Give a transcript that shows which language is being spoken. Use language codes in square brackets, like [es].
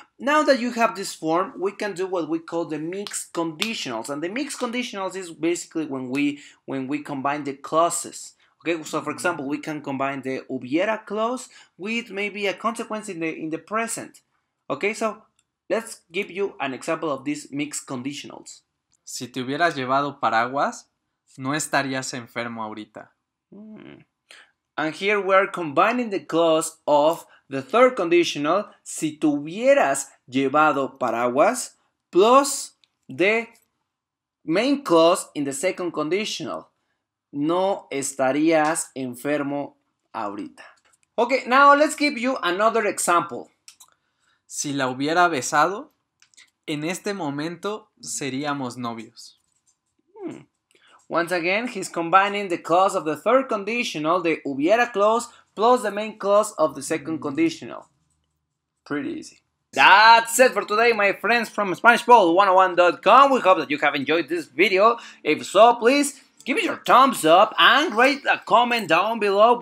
[en] Now that you have this form, we can do what we call the mixed conditionals. And the mixed conditionals is basically when we combine the clauses. Okay, so for example, we can combine the hubiera clause with maybe a consequence in the present. Okay, so let's give you an example of these mixed conditionals. [es] Si te hubieras llevado paraguas, no estarías enfermo ahorita. [en] And here we are combining the clause of the third conditional, [es] si te hubieras llevado paraguas, [en] plus the main clause in the second conditional, [es] no estarías enfermo ahorita. [en] Okay, now let's give you another example. [es] Si la hubiera besado, en este momento seríamos novios. [en] Once again, he's combining the clause of the third conditional, the hubiera clause, plus the main clause of the second conditional. Pretty easy. That's it for today, my friends from SpanishBowl101.com. We hope that you have enjoyed this video. If so, please give it your thumbs up and write a comment down below.